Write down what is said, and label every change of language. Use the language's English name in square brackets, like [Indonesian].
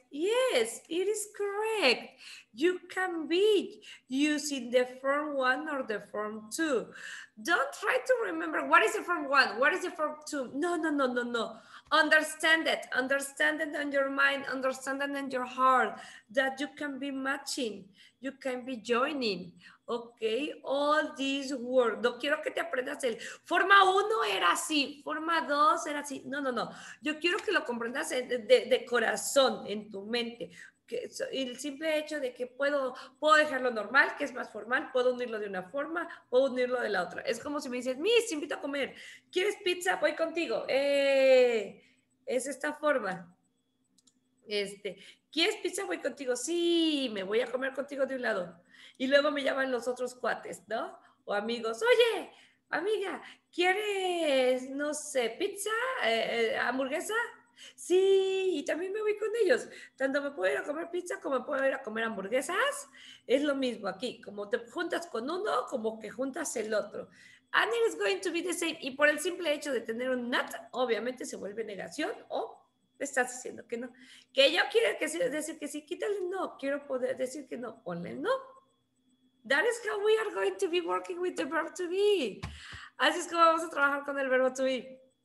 [English] Yes, it is correct. You can be using the form one or the form two. Don't try to remember what is the form one, what is the form two. No. Understand it in your mind, understand it in your heart that you can be matching, you can be joining. Okay, all these words. [Spanish] No quiero que te aprendas el forma uno era así, forma dos era así. No. Yo quiero que lo comprendas de corazón, en tu mente. Que, el simple hecho de que puedo dejarlo normal, que es más formal, puedo unirlo de una forma, puedo unirlo de la otra. Es como si me dices, Miss, te invito a comer. ¿Quieres pizza? Voy contigo. Es esta forma. ¿Quieres pizza? Voy contigo. Sí, me voy a comer contigo de un lado. Y luego me llaman los otros cuates, ¿no? O amigos, oye, amiga, ¿quieres, no sé, pizza, hamburguesa? Sí, y también me voy con ellos. Tanto me puedo ir a comer pizza como me puedo ir a comer hamburguesas. Es lo mismo aquí, como te juntas con uno, como que juntas el otro. [English] And it is going to be the same. [Spanish] Y por el simple hecho de tener un not, obviamente se vuelve negación o me estás diciendo que no. Que yo quiero decir que sí, quítale no. Quiero poder decir que no, ponle no. [English] That is how we are going to be working with the verb to be. [Spanish] Así es como vamos a trabajar con el verbo to be.